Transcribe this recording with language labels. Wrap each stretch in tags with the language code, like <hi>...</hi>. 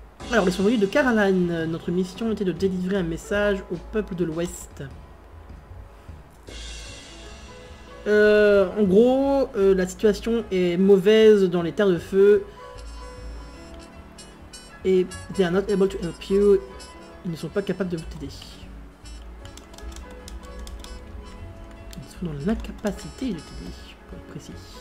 <fr>Alors, ils sont venus de Caralan. Notre mission était de délivrer un message au peuple de l'Ouest. En gros, la situation est mauvaise dans les terres de feu.</fr> <en>Et they are not able to help you.</en> <fr>Ils ne sont pas capables de vous aider. Ils sont dans l'incapacité de t'aider, pour être précis.</fr>